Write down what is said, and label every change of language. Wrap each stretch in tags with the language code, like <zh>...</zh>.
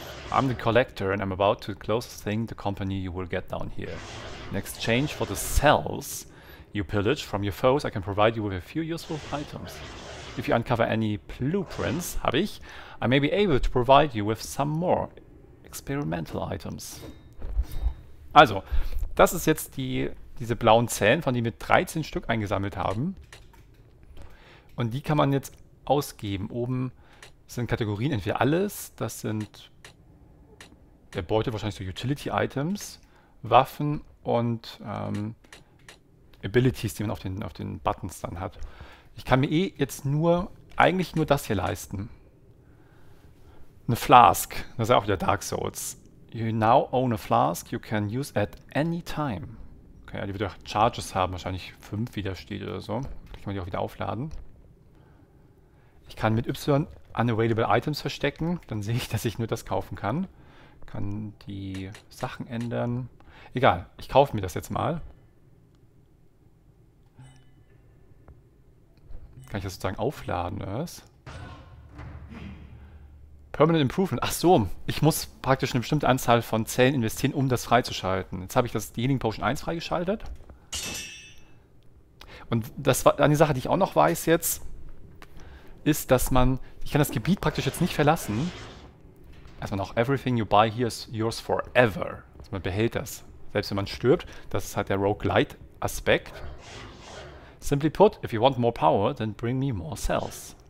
<en>I'm the collector and I'm about to close the thing the company you will get down here. In exchange for the cells you pillage from your foes, I can provide you with a few useful items. If you uncover any blueprints,</en> <de>habe ich,</de> <en>I may be able to provide you with some more experimental items.</en> <de>Also, das ist jetzt diese blauen Zellen, von denen wir 13 Stück eingesammelt haben. Und die kann man jetzt ausgeben. Oben sind Kategorien, entweder alles, das sind der Beutel, wahrscheinlich so Utility-Items, Waffen und Abilities, die man auf den Buttons dann hat. Ich kann mir eh jetzt nur, eigentlich nur das hier leisten. Eine Flask. Das ist ja auch wieder Dark Souls.</de> <en>You now own a flask you can use at any time.</en> <de>Okay, die wird auch Charges haben. Wahrscheinlich 5 wieder steht oder so. Vielleicht kann man die auch wieder aufladen. Ich kann mit Y unavailable items verstecken. Dann sehe ich, dass ich nur das kaufen kann. Kann die Sachen ändern. Egal, ich kaufe mir das jetzt mal. Kann ich das sozusagen aufladen, oder was?</de> <en>Permanent Improvement.</en> <de>Ach so, ich muss praktisch eine bestimmte Anzahl von Zellen investieren, um das freizuschalten. Jetzt habe ich die Healing Potion 1 freigeschaltet. Und das war eine Sache, die ich auch noch weiß jetzt, ist, dass man... Ich kann das Gebiet praktisch jetzt nicht verlassen. Erstmal noch,</de> <en>everything you buy here is yours forever.</en> <de>Also man behält das. Selbst wenn man stirbt, das ist halt der Roguelite-Aspekt.</de> <en>Simply put, if you want more power, then bring me more cells.</en>